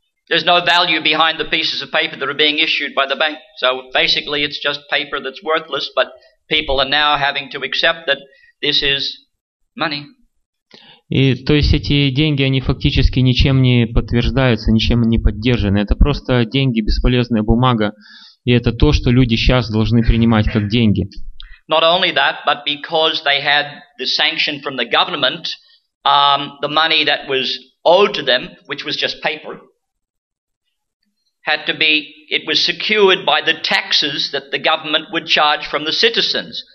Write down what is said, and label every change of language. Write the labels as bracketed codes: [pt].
[en] There's no value behind the pieces of paper that are being issued by the bank. So basically it's just paper that's worthless, but people are now having to accept that this is money. [ru] И то есть эти деньги, они фактически ничем не подтверждаются, ничем не поддержаны. Это просто деньги, бесполезная бумага, и это то, что люди сейчас должны принимать как деньги. [en] Not only that, but because they had the sanction from the government, the money that was owed to them, which was just paper, had to be, it was secured by the taxes that the government would charge from the citizens.